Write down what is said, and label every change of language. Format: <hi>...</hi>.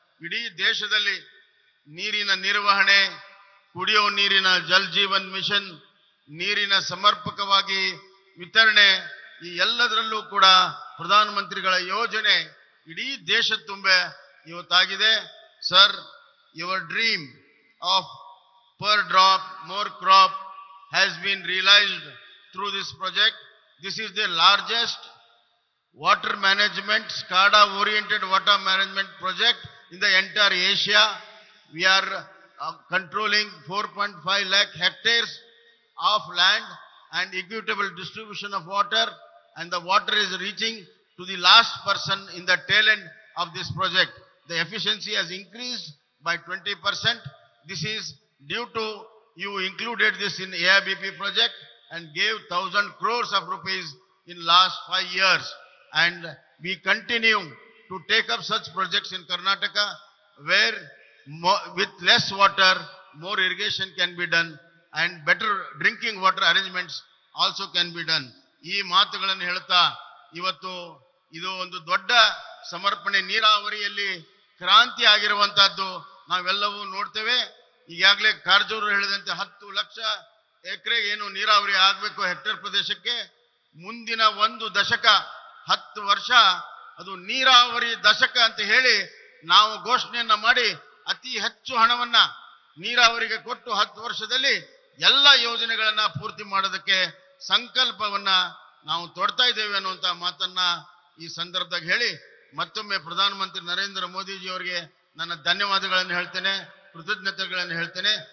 <kn>ಇಡೀ ದೇಶದಲ್ಲಿ ನೀರಿನ ನಿರ್ವಹಣೆ, ಕುಡಿಯೋ ನೀರಿನ ಜಲ್ ಜೀವನ್ ಮಿಷನ್, ನೀರಿನ ಸಮರ್ಪಕವಾಗಿ ವಿತರಣೆ, ಈ ಎಲ್ಲದರಲ್ಲೂ ಕೂಡ ಪ್ರಧಾನಮಂತ್ರಿಗಳ ಯೋಜನೆ ಇಡೀ ದೇಶ ತುಂಬೆ ಇವತ್ತಾಗಿದೆ.</kn> <en>Sir, your dream of per drop more crop ಹ್ಯಾ has been realized through this project. This is the largest water management, SCADA oriented water management project in the entire Asia. We are controlling 4.5 lakh hectares of land and equitable distribution of water, and the water is reaching to the last person in the tail end of this project. The efficiency has increased by 20%. This is due to you included this in AIBP project and gave 1,000 crores of rupees in last 5 years. And we continue to take up such projects in Karnataka where with less water, more irrigation can be done and better drinking water arrangements also can be done.</en> <kn>ಈ ಮಾತುಗಳನ್ನು ಹೇಳ್ತಾ ಇವತ್ತು ಇದು ಒಂದು ದೊಡ್ಡ ಸಮರ್ಪಣೆ, ನೀರಾವರಿಯಲ್ಲಿ ಕ್ರಾಂತಿ ಆಗಿರುವಂತಹದ್ದು ನಾವೆಲ್ಲವೂ ನೋಡ್ತೇವೆ. ಈಗಾಗಲೇ ಕಾರ್ಜೋರು ಹೇಳಿದಂತೆ 10 ಲಕ್ಷ ಎಕರೆ ಏನು ನೀರಾವರಿ ಆಗಬೇಕು ಹೆಕ್ಟರ್ ಪ್ರದೇಶಕ್ಕೆ. ಮುಂದಿನ ಒಂದು ದಶಕ 10 ವರ್ಷ ಅದು ನೀರಾವರಿ ದಶಕ ಅಂತ ಹೇಳಿ ನಾವು ಘೋಷಣೆಯನ್ನ ಮಾಡಿ ಅತಿ ಹೆಚ್ಚು ಹಣವನ್ನ ನೀರಾವರಿಗೆ ಕೊಟ್ಟು 10 ವರ್ಷದಲ್ಲಿ ಎಲ್ಲ ಯೋಜನೆಗಳನ್ನ ಪೂರ್ತಿ ಮಾಡೋದಕ್ಕೆ ಸಂಕಲ್ಪವನ್ನ ನಾವು ತೊಡ್ತಾ ಇದ್ದೇವೆ ಅನ್ನುವಂತ ಮಾತನ್ನ ಈ ಸಂದರ್ಭದಾಗ ಹೇಳಿ ಮತ್ತೊಮ್ಮೆ ಪ್ರಧಾನಮಂತ್ರಿ ನರೇಂದ್ರ ಮೋದಿಜಿಯವರಿಗೆ ನನ್ನ ಧನ್ಯವಾದಗಳನ್ನು ಹೇಳ್ತೇನೆ, ಕೃತಜ್ಞತೆಗಳನ್ನು ಹೇಳ್ತೇನೆ.</kn>